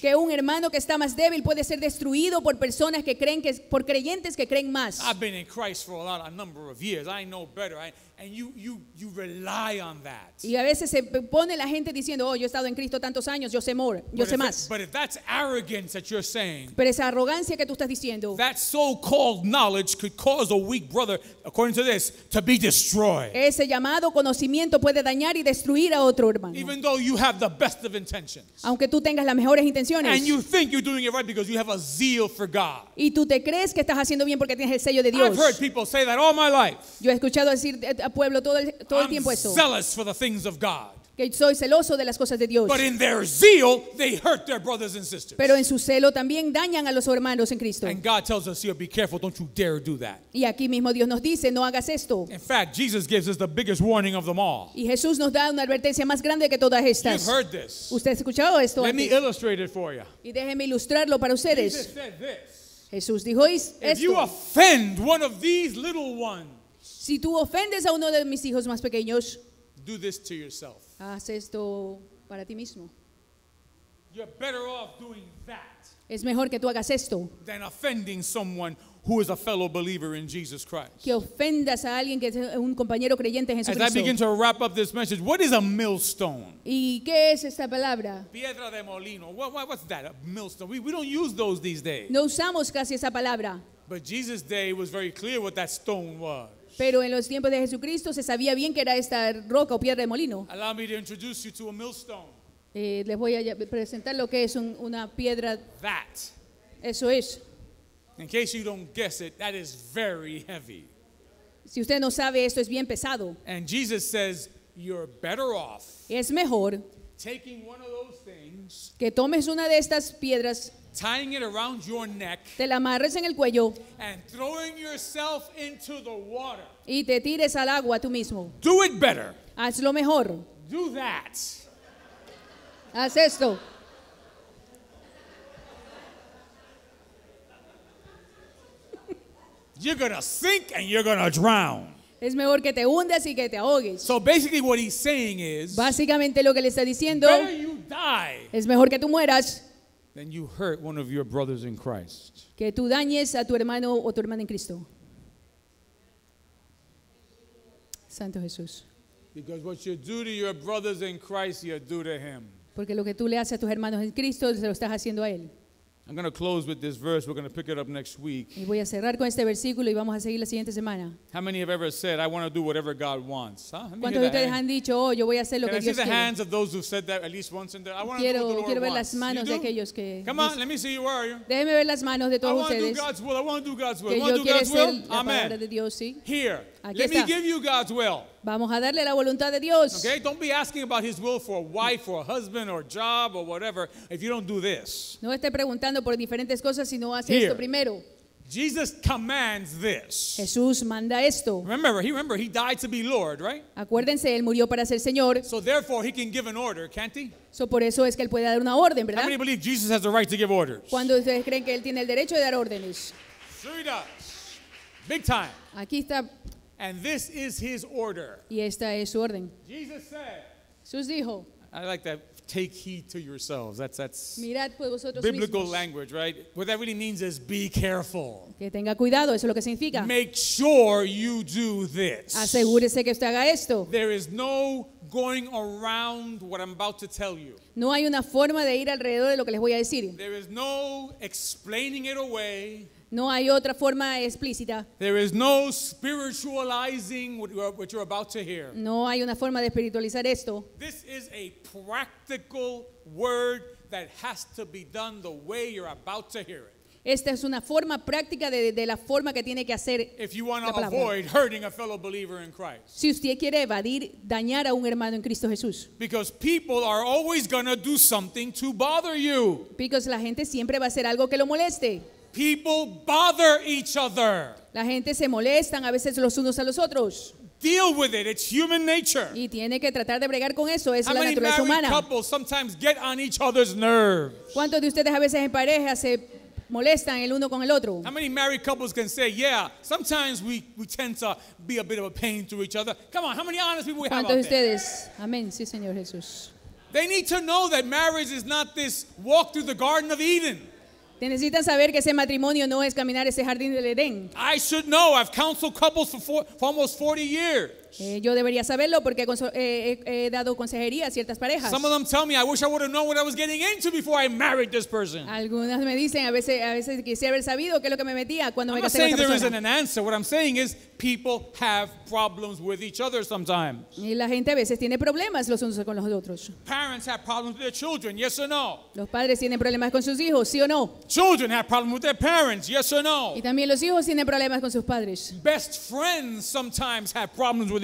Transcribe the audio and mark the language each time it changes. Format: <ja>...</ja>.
<es>Que un hermano que está más débil puede ser destruido por personas que creen que por creyentes que creen más.</es> <en>I've been in Christ for a number of years. I know better. And you rely on that.</en> <es>Y a veces se pone la gente diciendo, "Oh, yo he estado en Cristo tantos años, yo sé</es> <en>more,</en> <es>yo sé más."</es> <en>But if that's arrogance that you're saying.</en> <es>Pero esa arrogancia que tú estás diciendo.</es> <en>That so-called knowledge could cause a weak brother, according to this, to be destroyed.</en> <es>Ese llamado conocimiento puede dañar y destruir a otro hermano.</es> <en>Even though you have the best of intentions.</en> <es>Aunque tú tengas las mejores intenciones.</es> <en>And you think you're doing it right because you have a zeal for God.</en> <es>Y tú te crees que estás haciendo bien porque tienes el sello de Dios.</es> <en>I've heard people say that all my life.</en> <es>Yo he escuchado decir a pueblo todo el tiempo esto.</es> <en>Zealous for the things of God.</en> <es>que soy celoso de las cosas de Dios.</es> <en>But in their zeal, they hurt their brothers and sisters.</en> <es>Pero en su celo también dañan a los hermanos en Cristo.</es> <en>And God tells us here, be careful, don't you dare do that.</en> <es>Y aquí mismo Dios nos dice, no hagas esto.</es> <en>In fact, Jesus gives us the biggest warning of them all.</en> <es>Y Jesús nos da una advertencia más grande que todas estas.</es> <en>You've heard this.</en> <es>¿Usted ha escuchado esto?</es> <en>Let me illustrate it for you.</en> <es>Y déjeme ilustrarlo para ustedes. Jesús dijo esto.</es> <en>If you offend one of these little ones,</en> <es>si tú ofendes a uno de mis hijos más pequeños,</es> <en>do this to yourself.</en> <es>Haz esto para ti mismo.</es> <en>You're better off doing that.</en> <es>Es mejor que tú hagas esto.</es> <en>Than offending someone who is a fellow believer in Jesus Christ.</en> <es>Que ofendas a alguien que es un compañero creyente en Jesucristo.</es> <en>As I begin to wrap up this message, what is a millstone?</en> <es>¿Y qué es esta palabra? Piedra de molino.</es> <en>What's that? A millstone. We don't use those these days.</en> <es>No usamos casi esa palabra.</es> <en>But Jesus' day was very clear what that stone was.</en> <es>Pero en los tiempos de Jesucristo se sabía bien que era esta roca o piedra de molino.</es> <en>Allow me to introduce you to a millstone.</en> <es>Les voy a presentar lo que es una piedra.</es> <en>That.</en> <es>Eso es.</es> <en>In case you don't guess it, that is very heavy.</en> <es>Si usted no sabe, esto es bien pesado.</es> <en>And Jesus says, you're better off.</en> <es>Es mejor.</es> <en>Taking one of those things.</en> <es>Que tomes una de estas piedras.</es> <en>Tying it around your neck.</en> <es>Te la amarres en el cuello.</es> <en>And throwing yourself into the water.</en> <es>Y te tires al agua tú mismo.</es> <en>Do it better.</en> <es>Hazlo mejor.</es> <en>Do that.</en> <es>Haz esto.</es> <en>You're gonna sink and you're gonna drown.</en> <es>Es mejor que te hundas y que te ahogues.</es> <en>So basically what he's saying is,</en> <es>básicamente lo que le está diciendo,</es> <en>better you die.</en> <es>Es mejor que tú mueras.</es> <en>Then you hurt one of your brothers in Christ.</en> <es>Que tú dañes a tu hermano o tu hermana en Cristo. Santo Jesús.</es> <en>Because what you do to your brothers in Christ, you do to him.</en> <es>Porque lo que tú le haces a tus hermanos en Cristo, se lo estás haciendo a él.</es> <en>I'm going to close with this verse. We're going to pick it up next week.</en> <es>Y voy a cerrar con este versículo y vamos a seguir la siguiente semana.</es> <en>How many have ever said, I want to do whatever God wants? Huh?</en> <es>¿Cuántos de ustedes han dicho, oh, yo voy a hacer lo que Dios quiere?</es> <en>Can I see the hands of those who said that at least once in their life? I want to do what the Lord</en> <es>quiero ver las manos de aquellos que.</es> <en>Come on, let me see you. Where are you?</en> <es>Déjeme ver las manos de todos ustedes.</es> <en>I want to do God's will. I want to do God's will. I want to do God's will. Amen. Here. Let me give you God's will.</en> <es>Vamos a darle la voluntad de Dios.</es> <en>Okay, don't be asking about his will for a wife or a husband or a job or whatever if you don't do this.</en> <es>No esté preguntando por diferentes cosas si no hace esto primero.</es> <en>Jesus commands this.</en> <es>Jesús manda esto.</es> <en>Remember, he died to be Lord, right?</en> <es>Acuérdense, él murió para ser Señor.</es> <en>So therefore, he can give an order, can't he? So</en> <es>por eso es que él puede dar una orden, ¿verdad?</es> <en>How many believe Jesus has the right to give orders?</en> <es>¿Cuándo ustedes creen que él tiene el derecho de dar órdenes?</es> <en>Sure he does. Big time.</en> <es>Aquí está.</es> <en>And this is his order.</en> <es>Y esta es su orden.</es> <en>Jesus said.</en> <es>Jesús dijo.</es> <en>I like that. Take heed to yourselves. That's</en> <es>mirad pues vosotros</es> <en>biblical</en> <es>mismos.</es> <en>Language, right? What that really means is be careful.</en> <es>Que tenga cuidado. Eso es lo que significa.</es> <en>Make sure you do this.</en> <es>Asegúrese que usted haga esto.</es> <en>There is no going around what I'm about to tell you.</en> <es>No hay una forma de ir alrededor de lo que les voy a decir.</es> <en>There is no explaining it away.</en> <es>No hay otra forma explícita.</es> <en>There is no spiritualizing what you're about to hear.</en> <es>No hay una forma de espiritualizar esto.</es> <en>This is a practical word that has to be done the way you're about to hear it.</en> <es>Esta es una forma práctica de la forma que tiene que hacer la palabra.</es> <en>If you want to avoid hurting a fellow believer in Christ.</en> <es>Si usted quiere evadir dañar a un hermano en Cristo Jesús.</es> <en>Because people are always going to do something to bother you. Because</en> <es>la gente siempre va a hacer algo que lo moleste.</es> <en>People bother each other.</en> <es>La gente se molestan a veces los unos a los otros.</es> <en>Deal with it. It's human nature.</en> <es>Y tiene que tratar de bregar con eso. Es la naturaleza humana.</es> <en>How many married couples sometimes get on each other's nerves?</en> <es>¿Cuántos de ustedes a veces en pareja se molestan el uno con el otro?</es> <en>How many married couples can say, yeah, sometimes we tend to be a bit of a pain to each other? Come on, how many honest people we have out there?</en> <es>¿Cuántos de ustedes? Amén. Sí, Señor Jesús.</es> <en>They need to know that marriage is not this walk through the Garden of Eden.</en> <es>Necesitan saber que ese matrimonio no es caminar ese jardín del Edén.</es> <en>I should know. I've counseled couples for almost 40 years.</en> <es>Yo debería saberlo porque he dado consejería a ciertas parejas.</es> <en>Some of them tell me, I wish I would have known what I was getting into before I married this person.</en> <es>Algunas me dicen, a veces quisiera haber sabido qué es lo que me metía cuando me casé con esa persona.</es> <en>I'm not saying there isn't an answer. What I'm saying is people have problems with each other sometimes.</en> <es>Y la gente a veces tiene problemas los unos con los otros.</es> <en>Parents have problems with their children, yes or no?</en> <es>Los padres tienen problemas con sus hijos, sí o no?</es> <en>Children have problems with their parents, yes or no?</en> <es>Y también los hijos tienen problemas con sus padres.</es> <en>Best friends sometimes have problems with</en>